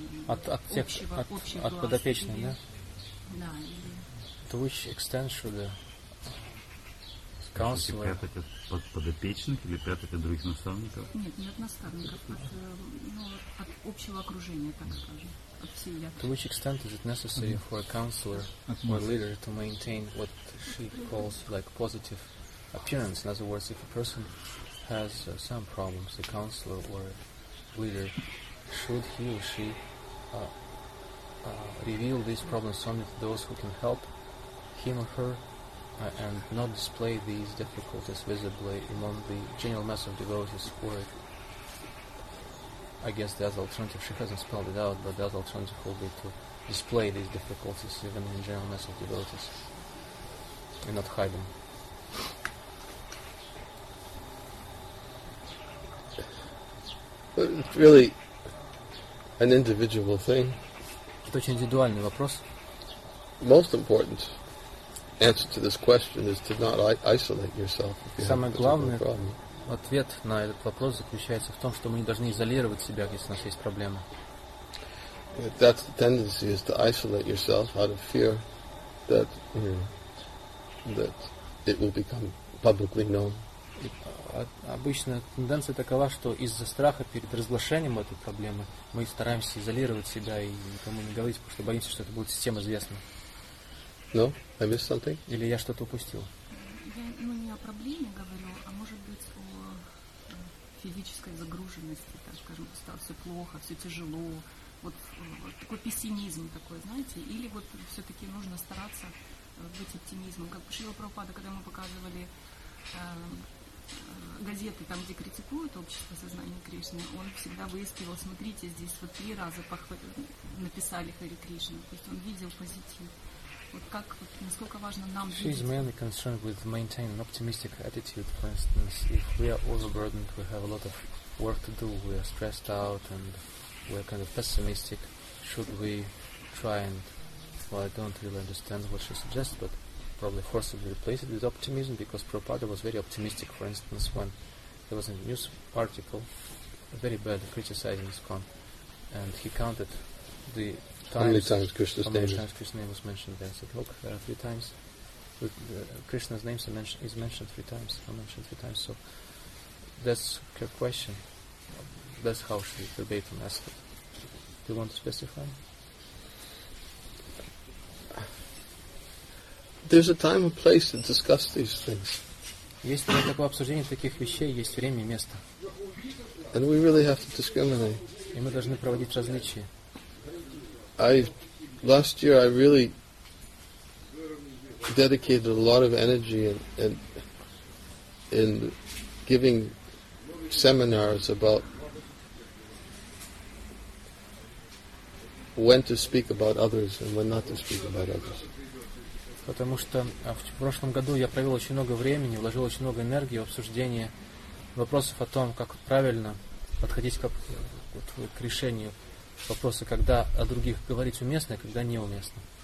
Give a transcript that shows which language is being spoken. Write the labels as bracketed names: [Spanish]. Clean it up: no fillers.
[Russian] от подопечных, да? Да, или... [English] To which extent should the counselor... [Russian] Скажите, прятать от подопечных или прятать от других наставников? Нет, не от наставников, от общего окружения, так скажем. [English] To which extent is it necessary for a counselor or leader to maintain what she calls like positive appearance? In other words, if a person has some problems, a counselor or a leader, should he or she reveal these problems only to those who can help him or her and not display these difficulties visibly among the general mass of devotees or I guess the other alternative, she hasn't spelled it out, but the other alternative will be to display these difficulties even in general mass of devotees and not hide them. But it's really an individual thing. [Russian] Это очень индивидуальный вопрос. [English] Most important answer to this question is to not isolate yourself if you [Russian] Самое [English] have a [Russian] главное... [English] problem. [Russian] Ответ на этот вопрос заключается в том, что мы не должны изолировать себя, если у нас есть проблемы. [English] That's the tendency is to isolate yourself out of fear that that it will become publicly known. [Russian] Обычно тенденция такова, что из-за страха перед разглашением этой проблемы мы стараемся изолировать себя и никому не говорить, потому что боимся, что это будет всем известно. [English] No, I missed something. [Russian] Или я что-то упустил? Я не о проблеме говорю, а может быть о физической загруженности, так скажем, стало все плохо, все тяжело, вот такой пессимизм такой, знаете, или вот все-таки нужно стараться быть оптимизмом. Как Шрила Прабхупада, когда мы показывали газеты, там, где критикуют общество сознания Кришны, он всегда выискивал, смотрите, здесь вот 3 раза написали Хари Кришну, то есть он видел позитив. Вот как, вот, насколько важно нам [English] She is mainly concerned with maintaining an optimistic attitude, for instance, if we are overburdened, we have a lot of work to do, we are stressed out and we are kind of pessimistic, should we try and, well, I don't really understand what she suggests, but probably forcibly replace it with optimism, because Prabhupada was very optimistic, for instance, when there was a news article, very bad, criticizing ISKCON, and he counted the How many times Krishna's name is mentioned three times. So that's her question. That's how she verbatim asked it. Do you want to specify? There's a time and place to discuss these things. [Russian] Есть для такого обсуждения таких вещей есть время и место. [English] And we really have to discriminate. [Russian] И мы должны проводить различия. [English] Last year I really dedicated a lot of energy in giving seminars about when to speak about others and when not to speak about others. [Russian] Потому что в прошлом году я провел очень много времени, вложил очень много энергии в обсуждение вопросов о том, как правильно подходить к решению. Вопросы, когда о других говорить уместно, а когда неуместно.